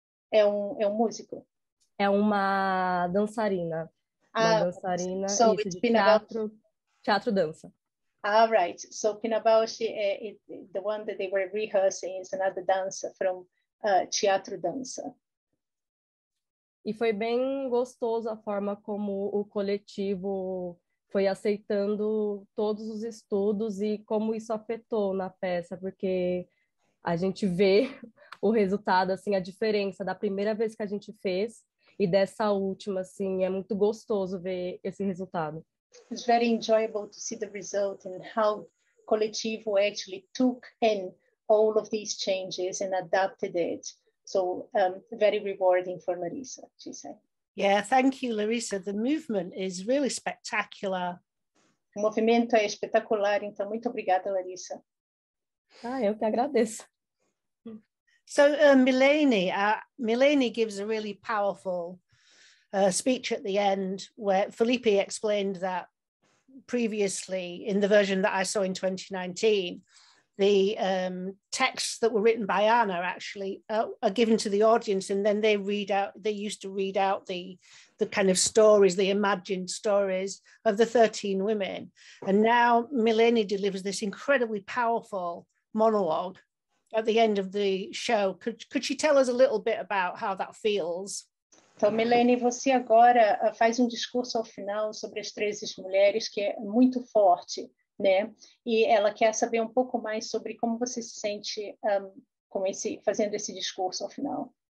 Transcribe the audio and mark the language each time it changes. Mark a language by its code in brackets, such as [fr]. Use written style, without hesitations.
[pt] É um músico? É uma dançarina. [en] So it's Pina Bausch. [pt] Teatro dança. [en] Ah, right. So Pina Bausch, the one that they were rehearsing, is another dancer from teatro dança. [pt] E foi bem gostoso a forma como o coletivo foi aceitando todos os estudos e como isso afetou na peça, porque a gente vê o resultado, assim, a diferença da primeira vez que a gente fez e dessa última, assim, é muito gostoso ver esse resultado. [en] It's very enjoyable to see the result and how Coletivo actually took in all of these changes and adapted it. So very rewarding for Larissa, she said. Yeah, thank you, Larissa. The movement is really spectacular. [pt] O movimento é espetacular, então muito obrigada, Larissa. Ah, eu que agradeço. [en] So Milene gives a really powerful speech at the end where Felipe explained that previously, in the version that I saw in 2019, the texts that were written by Anna actually are given to the audience, and then they read out. They used to read out the kind of stories, the imagined stories of the 13 women. And now Milene delivers this incredibly powerful monologue at the end of the show. Could she tell us a little bit about how that feels? [pt] Então, Milene, você agora faz um discurso ao final sobre as 13 mulheres, que é muito forte, né? E ela quer saber um pouco mais sobre como você se sente fazendo esse discurso ao final.